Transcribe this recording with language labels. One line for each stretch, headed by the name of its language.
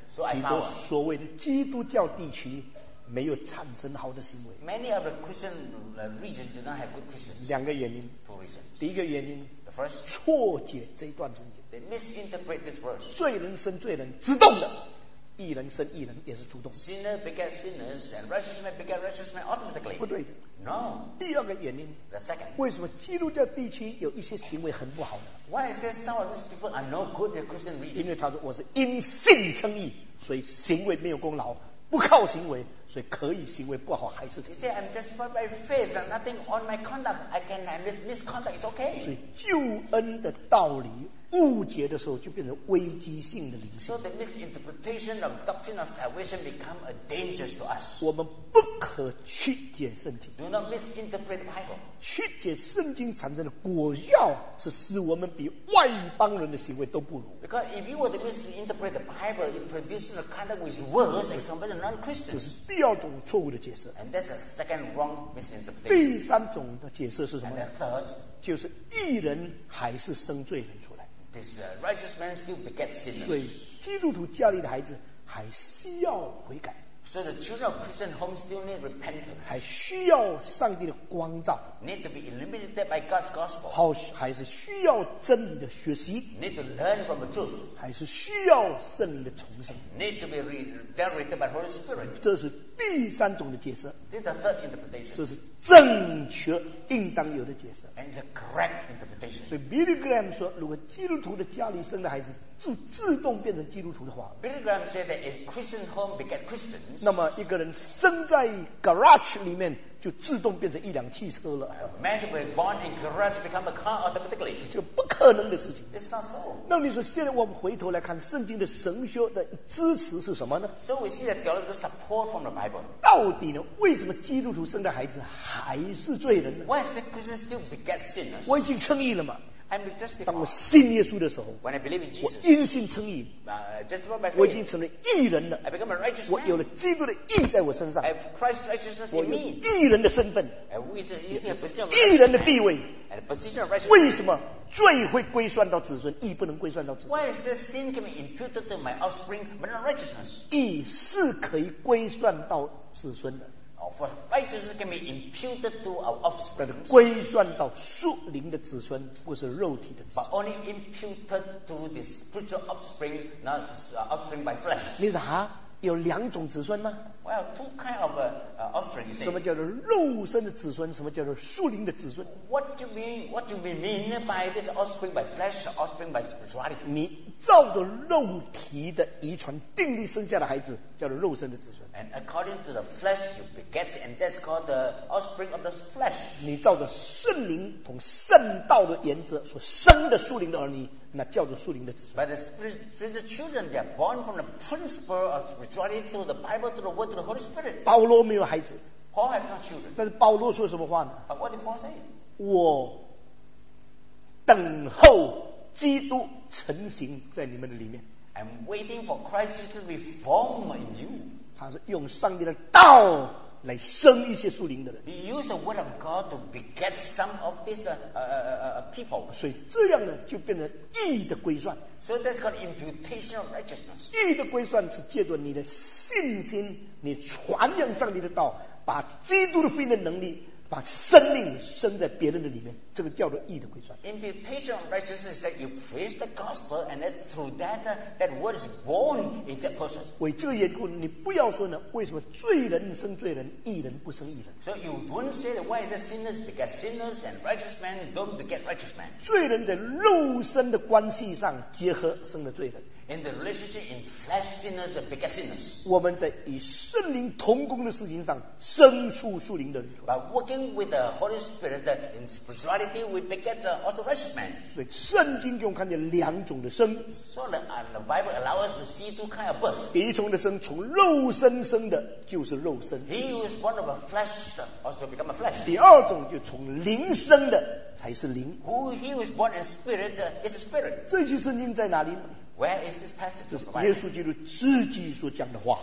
Chinese: 许多所谓的基督教地区没有产生好的行为。
English: Many of the Christian regions do not have good Christians.
Chinese: 两个原因。
English: Two reasons.
Chinese: 第一个原因。
English: The first.
Chinese: 错解这一段圣经。
English: They misinterpret this verse.
Chinese: 罪人生罪人，自动的；义人生义人，也是主动。
English: Sinners beget sinners, and righteous men beget righteous men automatically.
Chinese: 不对的。
English: No.
Chinese: 第二个原因。
English: The second.
Chinese: 为什么基督教地区有一些行为很不好呢
English: ？Why is it some of these people are no good in Christian regions?
Chinese: 因为他说我是因信称义。所以行为没有功劳，不靠行为，所以可以行为不好还是。
English: You say I'm justified by faith, nothing on my conduct. I can misconduct is okay.
Chinese: 所以救恩的道理误解的时候，就变成危机性的理性。
English: So the misinterpretation of doctrine of salvation become a danger to us.
Chinese: 我们不可曲解圣经。
English: Do not misinterpret the Bible.
Chinese: 曲解圣经产生的果效是使我们比外邦人的行为都不如。
English: Because if you were to misinterpret the Bible, it produces a kind of which is worse than some of the non-Christians.
Chinese: 这是第二种错误的解释。
English: And that's a second wrong misinterpretation.
Chinese: 第三种的解释是什么
English: ？And the third.
Chinese: 就是义人还是生罪人出来。
English: This righteous man still begets sinners.
Chinese: 所以基督徒家里的孩子还需要悔改。
English: So the children of Christian homes still need repentance.
Chinese: 还需要上帝的光照。
English: Need to be illuminated by God's gospel.
Chinese: 还是需要真理的学习。
English: Need to learn from the truth.
Chinese: 还是需要圣灵的重生。
English: Need to be regenerated by Holy Spirit.
Chinese: 这是第三种的解释。
English: This is the third interpretation.
Chinese: 这是正确应当有的解释。
English: And the correct interpretation.
Chinese: 所以 Billy Graham 说，如果基督徒的家里生的孩子就自动变成基督徒的话
English: ，Billy Graham said that if Christian home beget Christians，
Chinese: 那么一个人生在 garage 里面就自动变成一辆汽车了。
English: Man who was born in garage become a car automatically，
Chinese: 这不可能的事情。
English: It's not so。
Chinese: 那你说现在我们回头来看圣经的神学的支持是什么呢
English: ？So we see that theology support from the Bible。
Chinese: 到底呢，为什么基督徒生的孩子还是罪人呢
English: ？Why is that Christians still beget sinners？
Chinese: 我已经称义了嘛。
English: I'm justified.
Chinese: 当我信耶稣的时候
English: When I believe in Jesus,
Chinese: 我因信称义、
English: justified by faith,
Chinese: 我已经成了义人了
English: I become a righteous man.
Chinese: 我有了基督的义在我身上
English: I have Christ's righteousness in me.
Chinese: 我有义人的身份
English: I have
Chinese: 义人的地位
English: and a position of righteousness.
Chinese: 为什么罪会归算到子孙义不能归算到子孙
English: Why is this sin can be imputed to my offspring but not righteousness?
Chinese: 义是可以归算到子孙的
English: For righteousness can be imputed to our offspring.
Chinese: 但是归算到属灵的子孙，不是肉体的子孙。
English: But only imputed to the spiritual offspring, not offspring by flesh.
Chinese: 你说啊，有两种子孙吗？
English: Well, two kind of offering.
Chinese: 什么叫做肉身的子孙？什么叫做属灵的子孙？
English: What do you mean? What do we mean by this offspring by flesh, offspring by spirituality?
Chinese: 你照着肉体的遗传定力生下的孩子叫做肉身的子孙。
English: And according to the flesh you beget, and that's called the offspring of the flesh.
Chinese: 你照着圣灵同圣道的原则所生的属灵的儿女，那叫做属灵的子孙。
English: But the spiritual children, they are born from the principle of spirituality through the Bible, through the word, through the Holy Spirit.
Chinese: 保罗没有孩子。
English: Paul has no children.
Chinese: 但是保罗说什么话呢？
English: But what did Paul say?
Chinese: 我等候基督成形在你们的里面。
English: I'm waiting for Christ Jesus to be formed in you.
Chinese: 他是用上帝的道来生一些属灵的人。
English: He used the word of God to beget some of these people.
Chinese: 所以这样呢，就变成义的归算。
English: So that's called imputation of righteousness.
Chinese: 义的归算是借着你的信心，你传扬上帝的道，把基督的福音的能力，把生命生在别人的里面，这个叫做义的归算。
English: Imputation of righteousness is that you preach the gospel and that through that that word is born in that person.
Chinese: 为这个缘故，你不要说呢，为什么罪人生罪人，义人不生义人
English: ？So you don't say why the sinners beget sinners and righteous men don't beget righteous men.
Chinese: 罪人在肉身的关系上结合生了罪人。
English: In the relationship in flesh sinners and beget sinners.
Chinese: 我们在与圣灵同工的事情上生出属灵的人出
English: 来。By working with the Holy Spirit in spirituality, we beget also righteous men.
Chinese: 所以圣经给我们看见两种的生。
English: So the Bible allows us to see two kinds of birth.
Chinese: 第一种的生，从肉身生的就是肉身。
English: He who is born of a flesh also become a flesh.
Chinese: 第二种就从灵生的才是灵。
English: Who he who is born in spirit is a spirit.
Chinese: 这句圣经在哪里？
English: Where is this passage?
Chinese: 这是耶稣基督自己所讲的话。